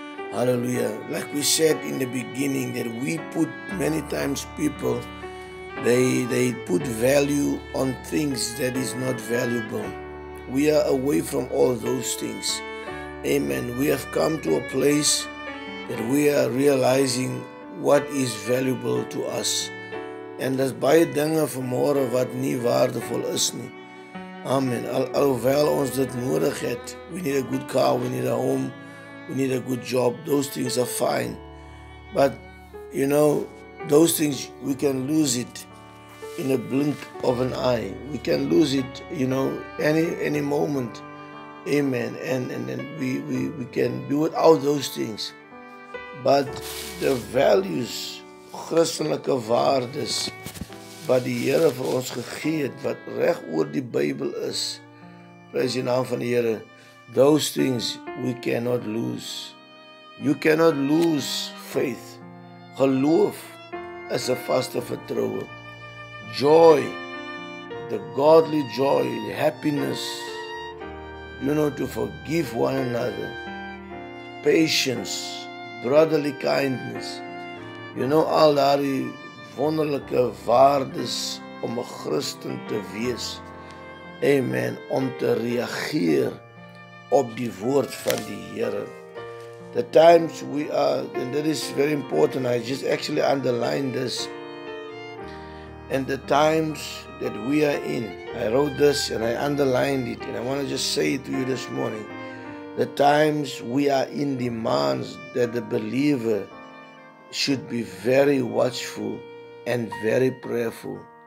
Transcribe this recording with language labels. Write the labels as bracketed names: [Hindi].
[English] Hallelujah. Like we said in the beginning, that we put many times people, they put value on things that is not valuable. We are away from all those things. Amen. We have come to a place that we are realizing what is valuable to us. [Afrikaans] And as baie dinge vanmôre wat nie waardevol is nie. [English] Amen. [Afrikaans] Alhoewel ons dit nodig het, [English] we need a good car, we need a home, we need a good job, those things are fine. But, you know, those things, we can lose it in a blink of an eye. We can lose it, you know, any moment. Amen. And we can do without those things. But the values, [Afrikaans] Christelike waardes, wat die Here vir ons gegee het, wat reg oor die Bybel is, prys die naam van die Here, [English] those things we cannot lose. You cannot lose faith. [Afrikaans] Geloof is 'n vaste vertroue. [English] Joy, the godly joy, happiness, you know, to forgive one another. Patience, brotherly kindness. You know, [Afrikaans] al daardie wonderlike waardes om 'n Christen te wees. Amen. Om te reageer op die woord van die Here. [English] The times we are, and that is very important, I just actually underlined this, and the times that we are in, I wrote this and I underlined it, and I want to just say it to you this morning, the times we are in demands that the believer should be very watchful and very prayerful.